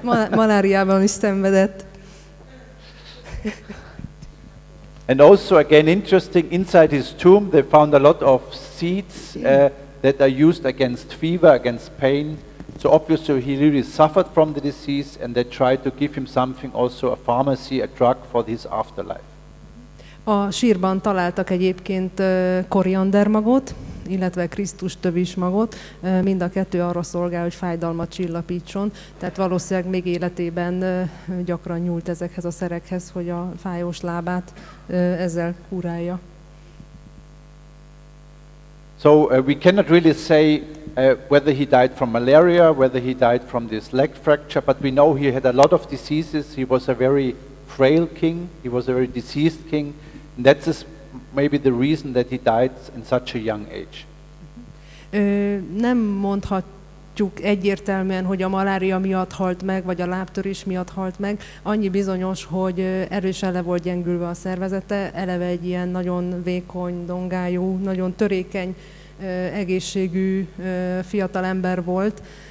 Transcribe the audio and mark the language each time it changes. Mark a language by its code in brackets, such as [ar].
[hu] Maláriában is szenvedett. [en] And also, again, interesting, inside his tomb they found a lot of seeds that are used against fever, against pain. So obviously he really suffered from the disease, and they tried to give him something, also a pharmacy, a drug for his afterlife. [hu] A sírban találtak egyébként koriandermagot, illetve Krisztus tövismagot. Mind a kettő arra szolgál, hogy fájdalmat csillapítson. Tehát valószínűleg még életében gyakran nyúlt ezekhez a szerekhez, hogy a fájós lábát ezzel kurálja. [en] So we cannot really say whether he died from malaria, whether he died from this leg fracture, but we know he had a lot of diseases. He was a very frail king, he was a very diseased king. And that's just maybe the reason that he died in such a young age. [hu] Nem mondhatjuk egyértelműen, hogy a malária miatt halt meg, vagy a lábtörés miatt halt meg. Annyi bizonyos, hogy erősen le volt gyengülve a szervezete, eleve egy ilyen nagyon vékony, dongájú, nagyon törékeny, egészségű fiatal ember volt.